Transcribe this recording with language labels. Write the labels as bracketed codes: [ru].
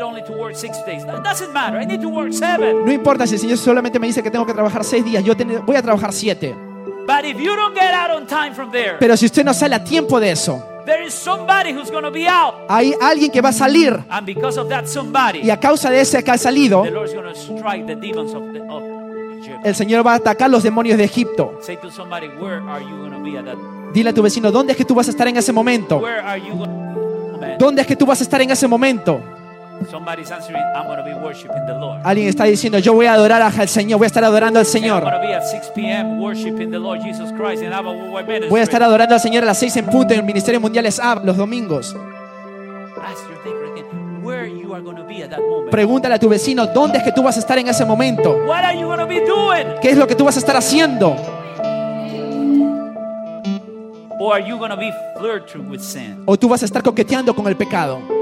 [es] No importa si el Señor solamente me dice que tengo que trabajar 6 días, voy a trabajar 7. [en] But if you don't get out on time from there, [es] pero si usted no sale a tiempo de eso, [en] there is somebody who's going to be out. [es] Hay alguien que va a salir. [en] And because of that somebody, [es] y a causa de ese que ha salido, [en] the Lord's going to strike the demons of Egypt. [es] El Señor va a atacar los demonios de Egipto. [en] Say to somebody, where are you going to be at that moment? [es] Dile a tu vecino, ¿dónde es que tú vas a estar en ese momento? [en] Where are you going to be? [es] ¿Dónde es que tú vas a estar en ese momento? [en] Somebody's answering, I'm going to be worshiping the Lord. [es] Alguien está diciendo, yo voy a adorar al Señor, voy a estar adorando al Señor. [en] I'm going to be at 6 p.m. worshiping the Lord Jesus Christ in Abba Worldwide Ministry. [es] Voy a estar adorando al Señor a las 6 en punto en el Ministerio Mundial es Abba los domingos. [en] Ask your neighbor again, where you are going to be at that moment. [es] Pregúntale a tu vecino, ¿dónde es que tú vas a estar en ese momento? [en] What are you going to be doing? [es] ¿Qué es lo que tú vas a estar haciendo? [en] Or are you going to be flirting with sin? [es] ¿O tú vas a estar coqueteando con el pecado?